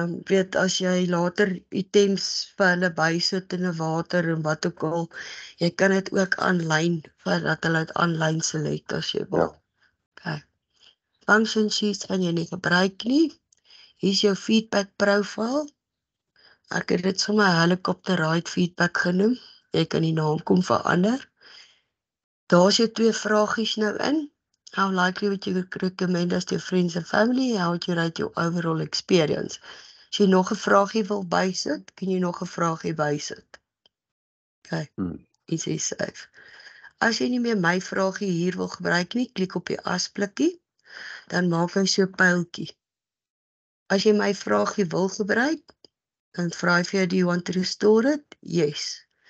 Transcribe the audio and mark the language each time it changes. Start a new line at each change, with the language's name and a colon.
Afrikaans: Weet as jy later items vir hulle bysit in 'n water en wat ook al, jy kan dit ook aanlyn vir dat hulle dit aanlyn select as jy wil. Okay. Function sheets kan jy nie gebruik nie. Hier's jou feedback profile. Ek het dit sommer helicopter ride feedback genoem. Jy kan die naam kom verander. Daar's jou twee vragies nou in.
English: How likely would you recommend as to your friends and family? How would you rate your overall experience?
Afrikaans: As jy nog 'n vragie wil bysit, kan jy nog 'n vragie bysit. Okay. Is jy safe? As jy nie meer my vragie hier wil gebruik nie, klik op die asblikkie. Dan maak hy so 'n pyltjie. As jy my vragie wil gebruik, dan vra hy vir jou,
English: do you want to restore it? Yes.